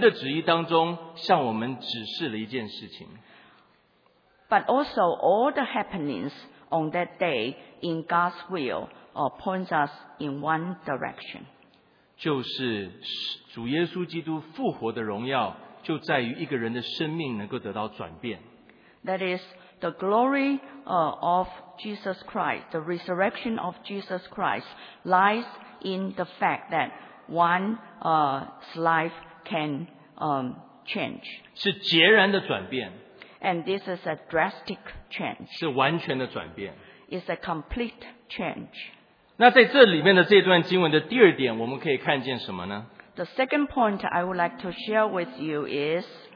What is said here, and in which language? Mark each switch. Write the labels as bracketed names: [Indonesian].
[Chinese] 就连当天所发生的一切事情，都在神的旨意当中向我们指示了一件事情。 [English] But also all the happenings on that day in God's will points us in one direction. [Chinese] 就是主耶稣基督复活的荣耀，就在于一个人的生命能够得到转变。 [English] That is the glory of Jesus Christ, the resurrection of Jesus Christ lies in the fact that one's life can change. [Chinese] 是截然的转变。 [English] And this is a drastic change. [Chinese] 是完全的转变。 [English] It's a complete change. [Chinese] 那在这里面的这段经文的第二点，我们可以看见什么呢？ [English] The second point I would like to share with you is